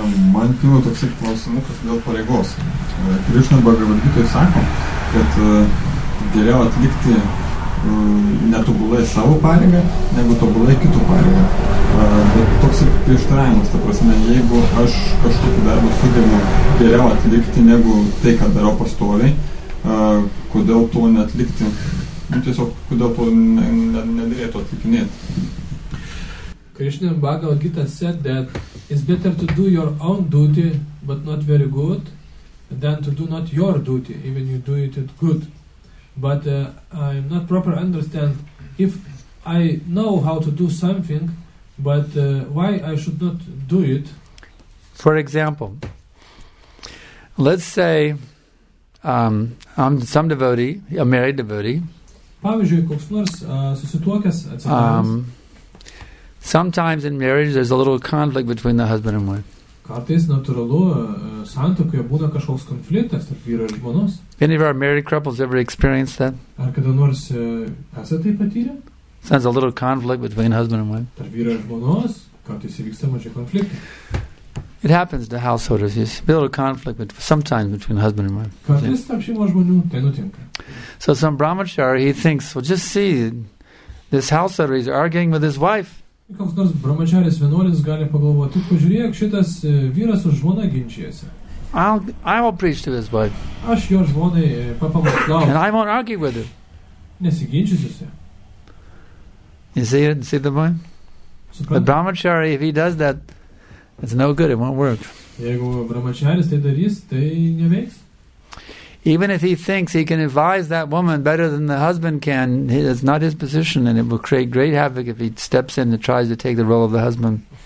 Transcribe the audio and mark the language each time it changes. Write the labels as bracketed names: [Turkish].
[Lithuanian] Man kino toksai klausimukas dėl pareigos. Krišna Bhagavad Gita sako, kad geriau atlikti netobulai savo pareigą, negu tobulai kitų pareigą. Bet toksai prieštaravimas, ta prasme, jeigu aš kažkokį darbą sugebu geriau atlikti, negu tai, ką darau pastoviai, kodėl to neatlikti, tiesiog kodėl to nedarėtų atlikinėti. [English] Krishna Bhagavad Gita said that it's better to do your own duty, but not very good, than to do not your duty, even you do it good. But I'm not proper understand, if I know how to do something, but why I should not do it? For example, let's say I'm some devotee, a married devotee. [Lithuanian] Pavyzdžiui, koks nors susituokęs atsakymas. [English] Sometimes in marriage there's a little conflict between the husband and wife. [Lithuanian] Kartais natūralu santuokoje būna kažkoks konfliktas tarp vyro ir žmonos. [English] Any of our married couples ever experienced that? [Lithuanian] Ar kada nors esate tai patyrę? [English] Sometimes a little conflict between husband and wife. [Lithuanian] Tarp vyro ir žmonos kartais įvyksta mažai konfliktai. [English] It happens to householders. There's a little conflict sometimes between husband and wife. [Lithuanian] Kartais tarp šeimos žmonių tai nutinka. [English] So some brahmachari, he thinks, well, just see, this householder is arguing with his wife. [Lithuanian] Koks nors brahmačiaris vienuolis gali pagalvoti, pažiūrėk, šitas vyras su žmona ginčiasi. [English] I will preach to his wife. [Lithuanian] Aš jo žmonai papamokslau. [English] And I won't argue with him. [Lithuanian] Nesiginčiusiuose. [English] You see it? See the point? The brahmachari, if he does that, it's no good, it won't work. [Lithuanian] Jeigu brahmačiaris tai darys, tai neveiks. [English] Even if he thinks he can advise that woman better than the husband can, it's not his position, and it will create great havoc if he steps in and tries to take the role of the husband.